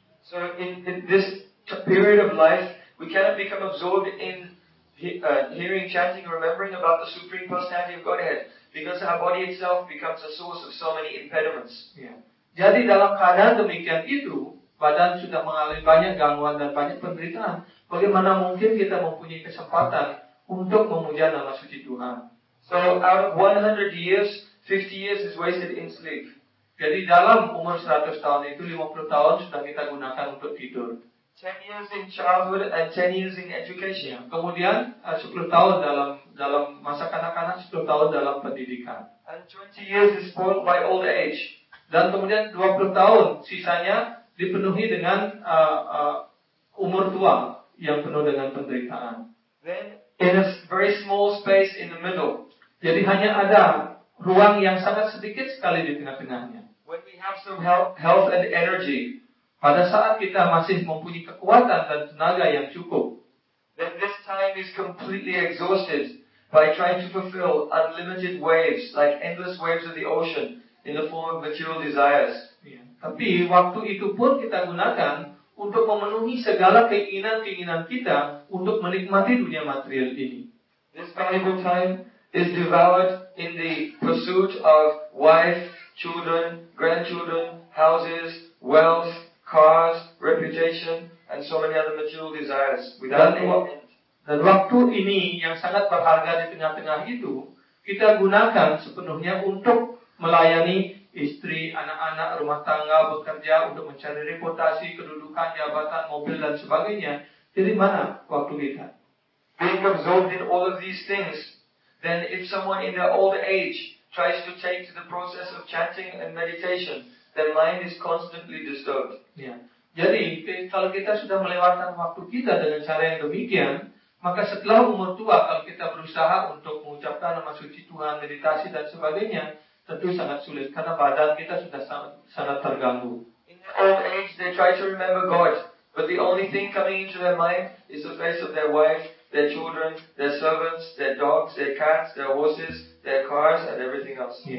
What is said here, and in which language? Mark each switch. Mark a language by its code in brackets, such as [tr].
[en] So in this period of life, we cannot become absorbed in hearing, chanting, remembering about the Supreme Personality of Godhead, because our body itself becomes a source of so many impediments. [id] Jadi dalam keadaan demikian itu, badan sudah mengalami banyak gangguan dan banyak penderitaan. Bagaimana mungkin kita mempunyai kesempatan untuk memuja nama suci Tuhan? [en] So out of 100 years, 50 years is wasted in sleep. [id] Jadi dalam umur 100 tahun itu 50 tahun sudah kita gunakan untuk tidur. [en] 10 years in childhood and 10 years in education. [id] Kemudian 10 tahun dalam masa kanak-kanak, 10 tahun dalam pendidikan. [en] And 20 years is spoiled by old age. [id] Dan kemudian 20 tahun sisanya dipenuhi dengan umur tua yang penuh dengan penderitaan. [en] Then in a very small space in the middle. [id] Jadi hanya ada ruang yang sangat sedikit sekali di tengah-tengahnya. [en] When we have some health and energy. [id] Pada saat kita masih mempunyai kekuatan dan tenaga yang cukup. [en] Then this time is completely exhausted by trying to fulfill unlimited waves, like endless waves of the ocean in the form of material desires. [id] Tapi waktu itu pun kita gunakan untuk memenuhi segala keinginan-keinginan kita untuk menikmati dunia material ini. [en] This valuable time is devoured in the pursuit of wife, children, grandchildren, houses, wealth, cars, reputation, and so many other material desires without any end. [id] Dan waktu ini yang sangat berharga di tengah-tengah itu, kita gunakan sepenuhnya untuk melayani istri, anak-anak, rumah tangga, bekerja, untuk mencari reputasi, kedudukan, jabatan, mobil, dan sebagainya. Jadi mana waktu kita? [en] Being absorbed in all of these things, then if someone in their old age tries to take to the process of chanting and meditation, their mind is constantly disturbed. [id] Jadi, kalau kita sudah melewatkan waktu kita dengan cara yang demikian, maka setelah umur tua, kalau kita berusaha untuk mengucapkan nama suci Tuhan, meditasi, dan sebagainya, tentu sangat sulit karena badan kita sudah sangat terganggu. [en] In their old age, they try to remember God, but the only thing coming into their mind is the face of their wife, their children, their servants, their dogs, their cats, their horses, their cars, and everything else.